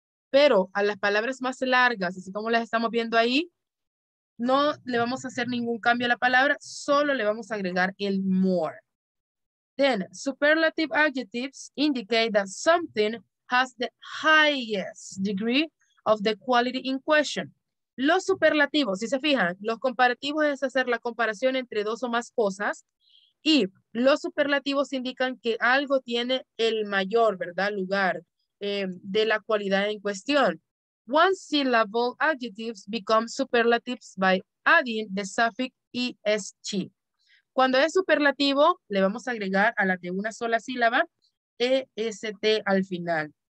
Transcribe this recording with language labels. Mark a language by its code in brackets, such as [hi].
[es] Pero a las palabras más largas, así como las estamos viendo ahí, no le vamos a hacer ningún cambio a la palabra, solo le vamos a agregar el more. [en] Then, superlative adjectives indicate that something has the highest degree of the quality in question. [es] Los superlativos, si se fijan, los comparativos es hacer la comparación entre dos o más cosas, y los superlativos indican que algo tiene el mayor, ¿verdad?, lugar de la cualidad en cuestión. [en] One-syllable adjectives become superlatives by adding the suffix ESG. [es] Cuando es superlativo, le vamos a agregar a la de una sola sílaba, EST al final.